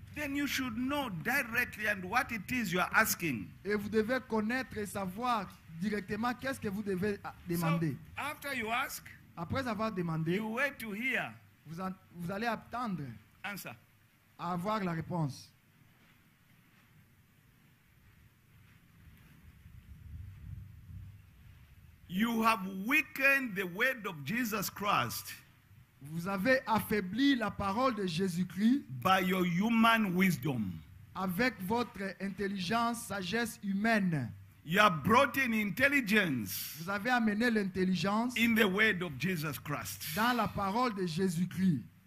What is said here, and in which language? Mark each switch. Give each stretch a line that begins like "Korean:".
English: Then you should know directly and what it is you are asking.
French: Et vous devez connaître et savoir directement qu'est-ce que vous devez demander.
English: So, after you ask,
French: après avoir demandé,
English: you wait to hear.
French: Vous allez attendre
English: answer.
French: À avoir la réponse.
English: You have weakened the word of Jesus Christ.
French: Vous avez affaibli la parole de Jésus-Christ.
English: By your human wisdom.
French: Avec votre intelligence, sagesse humaine.
English: You have brought in intelligence.
French: Vous avez amené l'intelligence.
English: In the word of Jesus Christ.
French: Dans la parole de Jésus-Christ.